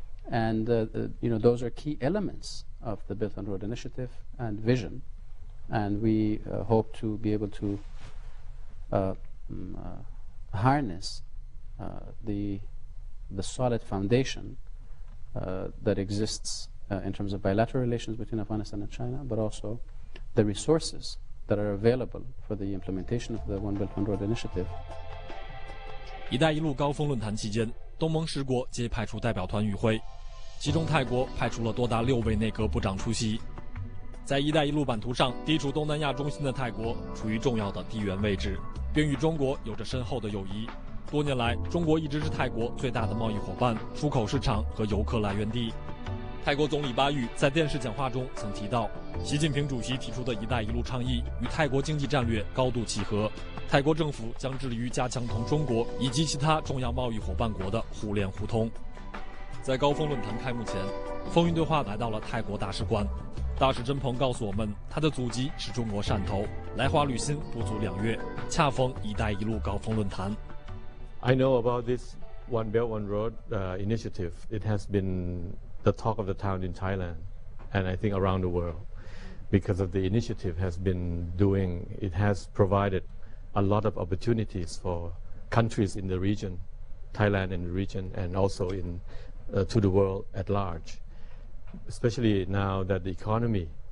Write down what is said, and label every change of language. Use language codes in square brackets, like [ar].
[en] And those are key elements of the Belt and Road Initiative and vision, and we hope to be able to harness the solid foundation that exists in terms of bilateral relations between Afghanistan and China, but also the resources that are available for the implementation of the One Belt One Road Initiative. [zh] 一带一路高峰论坛期间，东盟十国皆派出代表团与会，其中泰国派出了多达六位内阁部长出席。在一带一路版图上，地处东南亚中心的泰国处于重要的地缘位置，并与中国有着深厚的友谊。多年来，中国一直是泰国最大的贸易伙伴、出口市场和游客来源地。泰国总理巴育在电视讲话中曾提到，习近平主席提出的一带一路倡议与泰国经济战略高度契合，泰国政府将致力于加强同中国以及其他重要贸易伙伴国的互联互通。在高峰论坛开幕前，风云对话来到了泰国大使馆，大使甄鹏告诉我们，他的祖籍是中国汕头，来华旅行不足两月，恰逢一带一路高峰论坛。 [en] I know about this One Belt One Road initiative. It has beenThe talk of the town in Thailand, and I think around the world, because of the initiative has been doing, it has provided a lot of opportunities for countries in the region, Thailand in the region, and also in, to the world at large. Especially now that the economy